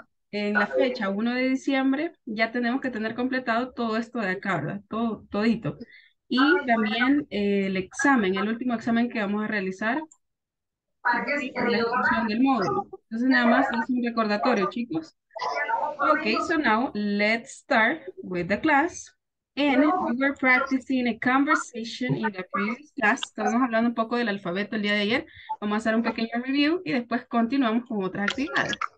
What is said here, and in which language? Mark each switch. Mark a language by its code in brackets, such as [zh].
[es] En la fecha 1 de diciembre ya tenemos que tener completado todo esto de acá, ¿verdad? Todito. Y también el examen, el último examen que vamos a realizar para la instrucción del módulo. Entonces nada más es un recordatorio, chicos. [en] Ok, so now let's start with the class. And we were practicing a conversation in the previous class. [es] Estamos hablando un poco del alfabeto el día de ayer. Vamos a hacer un pequeño review y después continuamos con otras actividades.